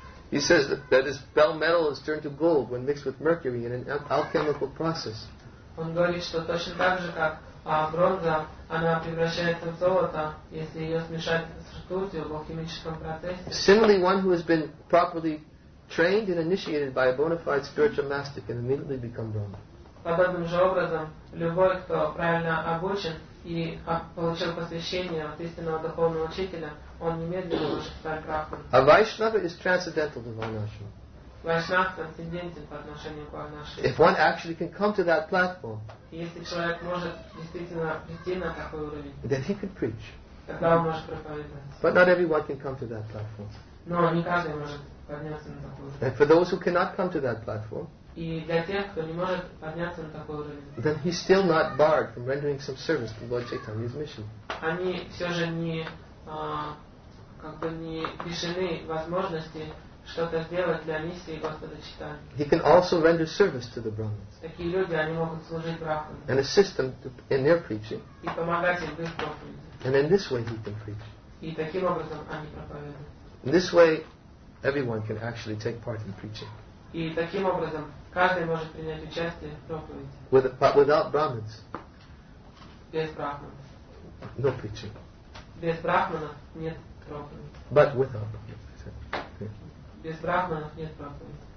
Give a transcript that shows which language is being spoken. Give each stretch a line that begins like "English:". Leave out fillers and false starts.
English: He says that his bell metal is turned to gold when mixed with mercury in an alchemical process.
Russian: Он говорит, что точно так же, как бронза, она превращается в золото, если ее смешать с ртутью в алхимическом процессе.
English: Similarly, one who has been properly trained and initiated by a bona fide spiritual master can immediately become Brahma.
Russian: Подобным же образом, любой, кто правильно обучен и получил посвящение от истинного духовного учителя, он немедленно может стать брахманом.
English: A Vaishnava is transcendental to Varnashrama.
Russian: Vaishnava трансцендентен по отношению к Варнашраме.
English: If one actually can come to that platform,
Russian: если человек может действительно прийти на такой уровень,
English: then he can preach.
Russian: Тогда он может проповедовать.
English: But not everyone can come to that platform.
Russian: Но не каждый может подняться на такой уровень.
English: And for those who cannot come to that platform,
Russian: и для тех, кто не может подняться на такой уровень,
English: then he's still not barred from rendering some service to Lord Chaitanya's mission.
Russian: Они все же не, как бы не лишены возможности что-то сделать для миссии Господа Чайтаньи.
English: He can also render service to the Brahmins.
Russian: Такие люди, они могут служить брахманам.
English: And assist them to, in their preaching.
Russian: И помогать им в их проповеди.
English: And in this way he can preach.
Russian: И таким образом они проповедуют.
English: In this way, everyone can actually take part in preaching.
Russian: И таким образом каждый может принять участие в проповеди.
English: But without Brahmins.
Russian: Без брахманов.
English: No preaching.
Russian: Без брахманов нет проповеди.
English: But without Brahmins.
Russian: Без брахманов нет проповеди.